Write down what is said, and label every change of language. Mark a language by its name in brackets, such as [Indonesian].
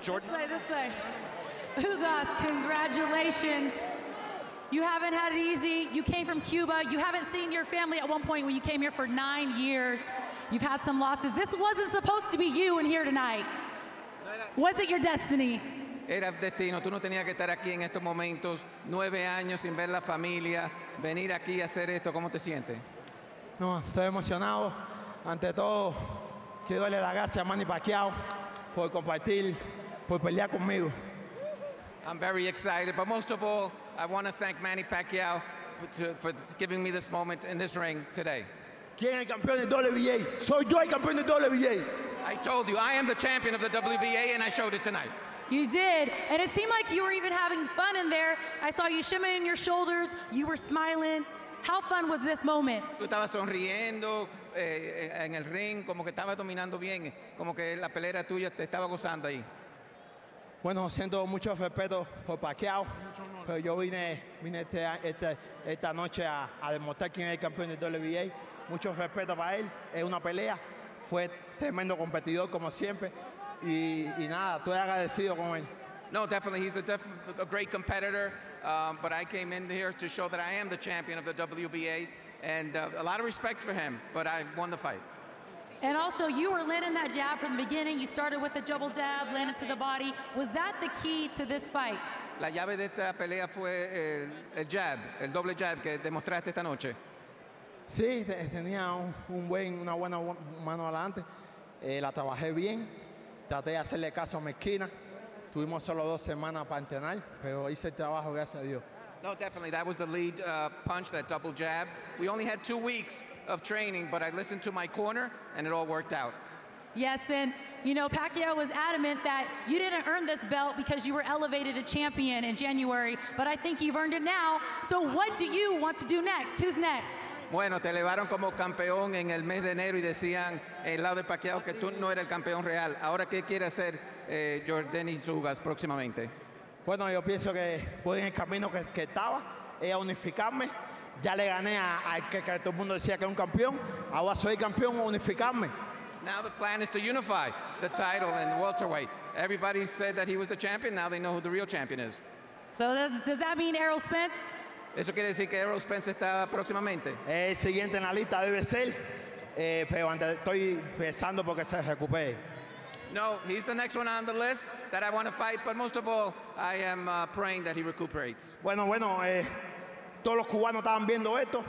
[English] Jordan? This way. Ugas, congratulations. You haven't had it easy. You came from Cuba. You haven't seen your family at one point when you came here for 9 years. You've had some losses. This wasn't supposed to be you in here tonight. Was it your destiny? [Spanish] Era destino. Tú no tenías que estar aquí en estos momentos. 9 años sin ver la familia. Venir aquí a hacer esto. ¿Cómo te sientes? No, estoy emocionado. Ante todo, quiero darle las gracias a Manny Pacquiao por compartir, por pelear conmigo. [English] I'm very excited, but most of all, I want to thank Manny Pacquiao for giving me this moment in this ring today. [Spanish] ¿Quién es el campeón de WBA? Soy yo el campeón de WBA. [English] I told you, I am the champion of the WBA, and I showed it tonight. You did, and it seemed like you were even having fun in there. I saw you shimmying your shoulders. You were smiling. How fun was this moment? [Spanish] Tú estabas sonriendo en el ring, como que estabas dominando bien, como que la pelea tuya te estaba gozando ahí. Bueno, siento mucho respeto por Pacquiao, pero yo vine esta noche a demostrar quién es el campeón del WBA. Mucho respeto para él, es una pelea, fue tremendo competidor como siempre, y nada, estoy agradecido con él. [English] No, definitely, he's a great competitor, but I came in here to show that I am the champion of the WBA, and a lot of respect for him, but I won the fight. And also, you were landing that jab from the beginning. You started with the double jab, landed to the body. Was that the key to this fight? [Spanish] La llave de esta pelea fue el jab, el doble jab que demostraste esta noche. Sí, tenía una buena mano adelante. La trabajé bien. Traté de hacerle caso a mi esquina. Tuvimos solo 2 semanas para entrenar, pero hice el trabajo, gracias a Dios. [English] No, definitely. That was the lead punch, that double jab. We only had 2 weeks of training, but I listened to my corner, and it all worked out. Yes, and, you know, Pacquiao was adamant that you didn't earn this belt because you were elevated to champion in January, but I think you've earned it now. So what do you want to do next? Who's next? [Spanish] Bueno, te elevaron como campeón en el mes de enero y decían en el lado de Pacquiao que tú no eras el campeón real. Ahora, ¿qué quiere hacer Yordenis Ugas próximamente? Bueno, yo pienso que voy en el camino que estaba, a unificarme. Ya le gané al que todo el mundo decía que era un campeón. Ahora soy campeón, unificarme. [English] Now the plan is to unify the title in the welterweight. Everybody said that he was the champion. Now they know who the real champion is. So does that mean Errol Spence? [Spanish] Eso quiere decir que Errol Spence está próximamente. El siguiente en la lista debe ser, pero estoy pensando porque se recupere. [English] No, he's the next one on the list that I want to fight, but most of all, I am praying that he recuperates. [Spanish] Bueno, bueno, todos los cubanos estaban viendo esto.